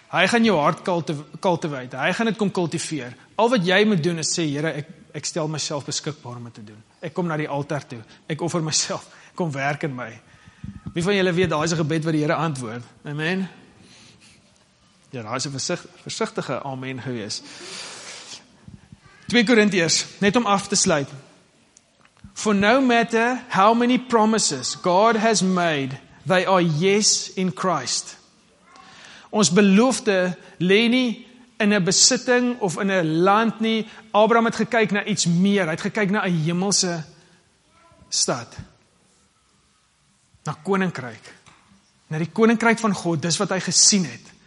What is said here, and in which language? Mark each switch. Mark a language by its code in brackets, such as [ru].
[af] Hy gaan jou hart cultivate, hy gaan het kom cultiveer. Al wat jy moet doen is sê, Here, ek stel myself beskikbaar om het te doen. Ek kom na die altaar toe, ek offer myself, kom werk in my. Wie van julle weet, daar is een gebed wat die Here antwoord. Amen? Ja, daar is een versigtige amen gewees. 2 Korintiërs, net om af te sluit. [en] For no matter how many promises God has made, they are yes in Christ. [af] Ons belofte lê nie in 'n besitting of in 'n land nie. Abraham het gekyk na iets meer. Hy het gekyk na 'n hemelse stad. Na koninkryk. Na die koninkryk van God, dis wat hy gesien het.